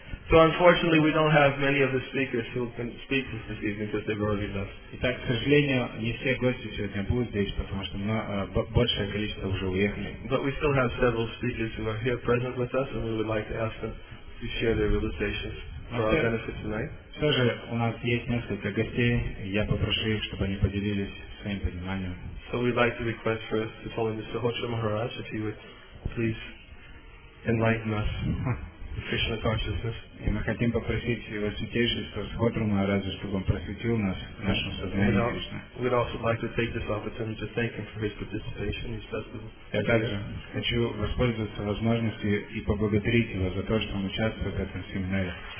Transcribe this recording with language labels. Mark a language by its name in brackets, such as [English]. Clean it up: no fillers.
[English] So unfortunately we don't have many of the speakers who can speak to us this evening because they've already left. [Russian] Итак, к сожалению, не все гости сегодня будут здесь, потому что большее количество уже уехали. [English] But we still have several speakers who are here present with us and we would like to ask them to share their realizations for our benefit tonight. [Russian] Все же у нас есть несколько гостей, я попрошу их, чтобы они поделились своим пониманием. [English] So we'd like to request first to call Mr. Hocha Maharaj, if he would please enlighten us. Krishna consciousness. [Russian] И мы хотим попросить его святейшество Сходру Махараджа, чтобы он просветил нас в нашем сознании Кришна. [English] We'd also like to take this opportunity to thank him for his participation in this festival. [Russian] Я также хочу воспользоваться возможностью и поблагодарить его за то, что он участвует в этом семинаре.